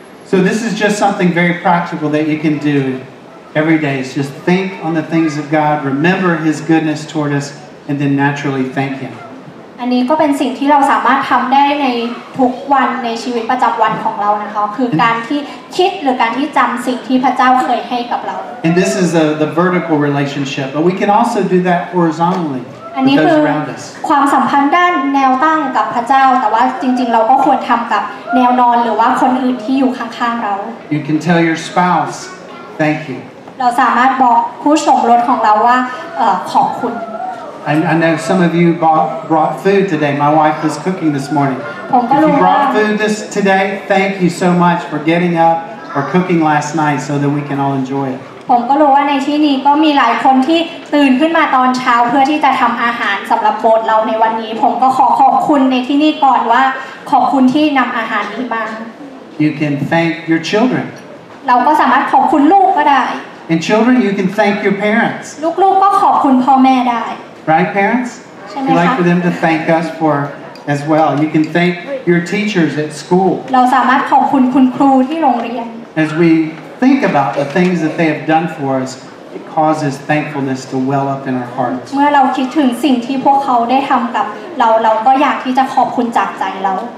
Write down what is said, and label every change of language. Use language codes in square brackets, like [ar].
[en] So this is just something very practical that you can do. Every day is just think on the things of God, remember His goodness toward us, and then naturally thank Him. [th] อันนี้ก็เป็นสิ่งที่เราสามารถทำได้ในทุกวันในชีวิตประจำวันของเรานะคะคือการที่คิดหรือการที่จำสิ่งที่พระเจ้าเคยให้กับเรา [en] And this is the vertical relationship, but we can also do that horizontally with those around us. [th] ความสัมพันธ์ด้านแนวตั้งกับพระเจ้าแต่ว่าจริงๆเราก็ควรทำกับแนวนอนหรือว่าคนอื่นที่อยู่ข้างๆเรา [en] You can tell your spouse, thank you. [th] เราสามารถบอกผู้สมรสของเราว่าขอบคุณ [en] I know some of you brought food today. My wife was cooking this morning. If you brought food this today, thank you so much for getting up or cooking last night so that we can all enjoy it. [th] ผมก็รู้ว่าในที่นี้ก็มีหลายคนที่ตื่นขึ้นมาตอนเช้าเพื่อที่จะทำอาหารสำหรับโบสถ์เราในวันนี้ผมก็ขอขอบคุณในที่นี้ก่อนว่าขอบคุณที่นำอาหารนี้มา [en] You can thank your children. [th] เราก็สามารถขอบคุณลูกก็ได้ [en] And children, you can thank your parents. [th] ลูกๆก็ขอบคุณพ่อแม่ได้ [en] Right, parents? [th] ใช่ไหมคะ [en] We'd like for them to thank us for as well. You can thank your teachers at school. [th] เราสามารถขอบคุณคุณครูที่โรงเรียน [en] As we think about the things that they have done for us, it causes thankfulness to well up in our hearts. [th] เมื่อเราคิดถึงสิ่งที่พวกเขาได้ทำกับเราเราก็อยากที่จะขอบคุณจากใจเรา